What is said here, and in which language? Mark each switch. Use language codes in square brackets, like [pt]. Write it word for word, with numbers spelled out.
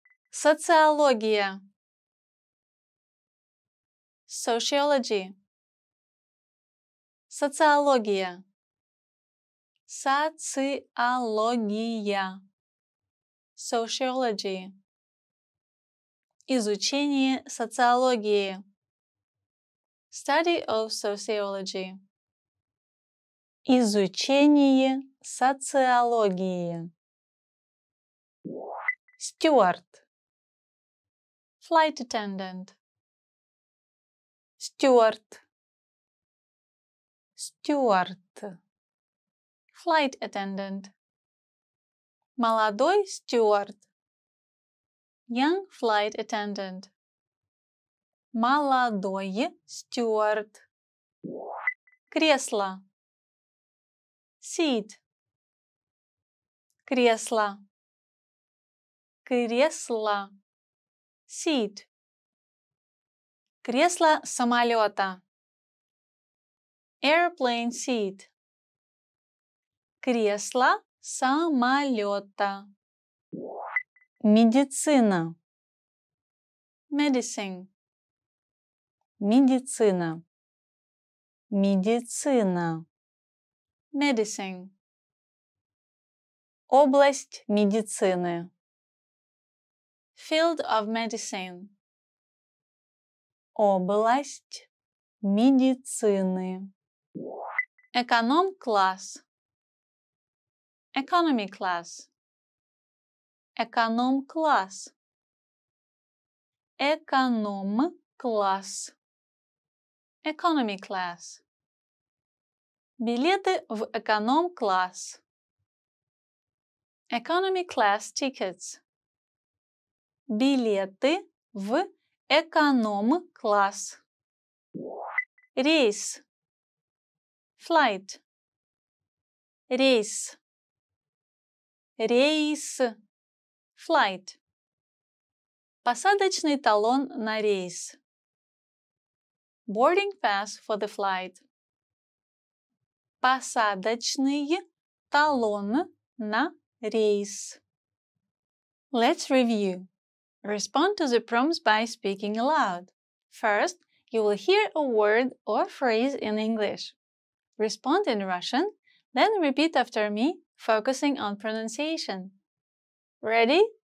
[ru] Социология, [en] sociology, [ru] социология, социология, sociology. Изучение социологии, [en] study of sociology, [ru] изучение социологии. Стюард, [en] flight attendant, [ru] стюард, стюард, flight attendant. Молодой стюард, [en] young flight attendant. [ru] Молодой стюард. Кресло, [en] seat, [ru] кресло, кресло, seat. Кресло самолета, [en] airplane seat, [ru] кресло самолета. Медицина, [en] medicine, [ru] медицина, медицина, medicine. Область медицины, [en] field of medicine, [ru] область медицины. Эконом-класс, [en] economy class, [ru] эконом-класс, эконом-класс, economy class. Билеты в эконом-класс, [en] economy class tickets, [ru] билеты в эконом-класс. Рейс, [en] flight, [ru] рейс, рейс, flight. Посадочный талон на рейс, [en] boarding pass for the flight, [ru] посадочный талон на рейс. [en] Let's review. Respond to the prompts by speaking aloud. First, you will hear a word or phrase in English. Respond in Russian, then repeat after me, focusing on pronunciation. Ready?